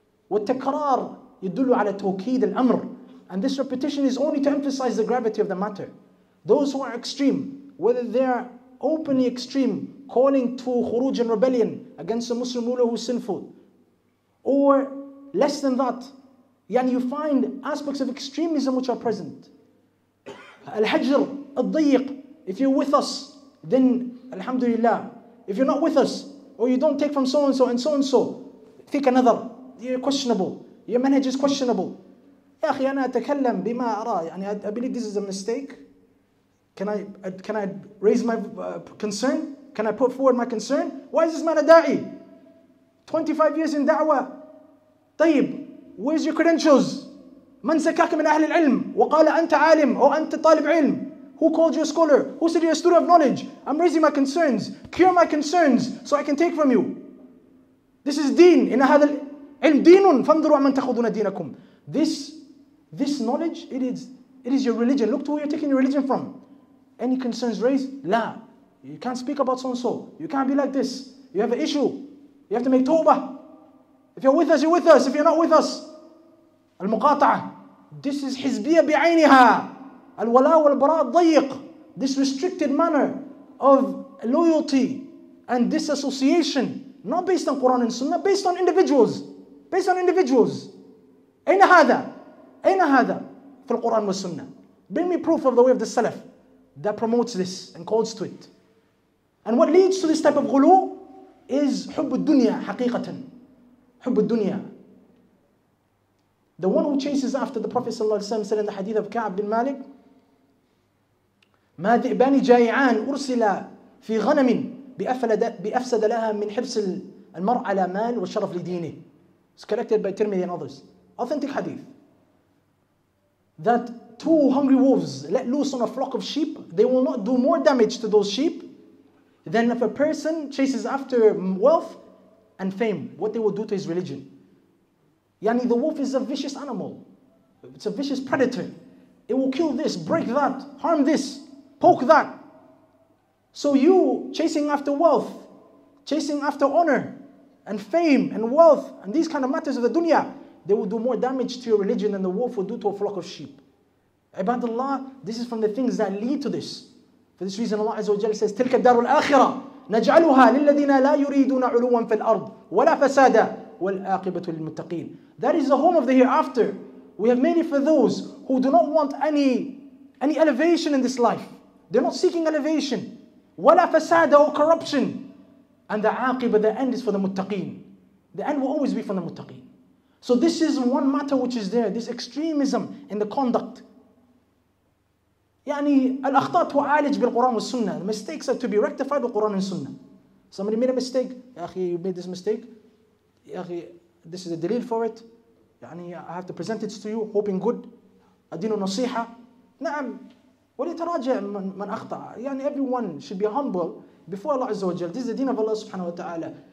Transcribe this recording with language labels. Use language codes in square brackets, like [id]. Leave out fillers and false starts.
[ar] والتكرار يدل على توكيد الأمر. [en] And this repetition is only to emphasize the gravity of the matter. Those who are extreme, whether they're openly extreme, calling to khuruj and rebellion against a Muslim ruler who's sinful, or less than that, yani you find aspects of extremism which are present. Al-hajr, al-dayiq, if you're with us, then alhamdulillah. If you're not with us, or you don't take from so-and-so and so-and-so, think another, you're questionable. Your manhaj is questionable. [ar] يا أخي أنا أتكلم بما أرى. يعني [en] I believe this is a mistake. Can I raise my concern? Can I put forward my concern? Why is this man a da'i? 25 years in da'wah. [ar] طيب, [en] where's your credentials? [ar] من زكاك من أهل العلم وقال أنت عالم أو أنت طالب علم. [en] Who called you a scholar? Who said you're a student of knowledge? I'm raising my concerns. Cure my concerns so I can take from you. This is deen. [ar] إن هذا العلم دين فانظروا عمن تأخذون دينكم. [en] This knowledge, it is your religion. Look to where you're taking your religion from. Any concerns raised? [ar] لا. [en] You can't speak about so-and-so. You can't be like this. You have an issue. You have to make tawbah. If you're with us, you're with us. If you're not with us, [ar] المقاطعة. [en] This is [ar] حزبية بعينها. الولاء والبراء ضيق. [en] This restricted manner of loyalty and disassociation. Not based on Quran and Sunnah, based on individuals. Based on individuals. أين هذا؟ أين هذا في القرآن والسنة؟ Bring me proof of the way of the Salaf that promotes this and calls to it. And what leads to this type of [ar] غلو [en] is [ar] حب الدنيا حقيقة. حب الدنيا. [en] The one who chases after the Prophet صلى الله عليه وسلم said in the hadith of Ka'ab bin Malik, [ar] ما ذئبان جائعان أرسل في غنم بأفسد لها من حفظ المرء على مال وشرف لدينه. [en] It's collected by Tirmidhi and others. Authentic hadith. That two hungry wolves let loose on a flock of sheep, they will not do more damage to those sheep than if a person chases after wealth and fame, what they will do to his religion. Yani the wolf is a vicious animal. It's a vicious predator. It will kill this, break that, harm this, poke that. So you chasing after wealth, chasing after honor and fame and wealth and these kind of matters of the dunya, they will do more damage to your religion than the wolf will do to a flock of sheep. Ibadallah, this is from the things that lead to this. For this reason, Allah Azza wa Jalla says, [ar] تِلْكَ الدَّارُ الْآخِرَةِ نَجْعَلُهَا لِلَّذِينَ لَا يُرِيدُونَ عُلُوًا فِي الْأَرْضِ وَلَا فَسَادًا وَالْآقِبَةُ لِلْمُتَّقِينَ. [en] That is the home of the hereafter. We have made it for those who do not want any elevation in this life. They're not seeking elevation. [ar] وَلَا فَسَادًا [en] or corruption. And the عَاقِبَةُ, the end is for the muttaqeen. The end will always be from the muttaqeen. So this is one matter which is there, this extremism in the conduct. [ar] يعني الأخطاء تعالج بالقرآن والسنة. [en] The mistakes are to be rectified with Quran and Sunnah. Somebody made a mistake. [ar] يا أخي, [en] you made this mistake. يا أخي, this is a دليل for it. [ar] يعني, [en] I have to present it to you, hoping good. [ar] أدينه نصيحة. نعم. وليتراجع من أخطأ. يعني, [en] everyone should be humble before Allah Azza wa Jal. This is the deen of Allah subhanahu wa ta'ala.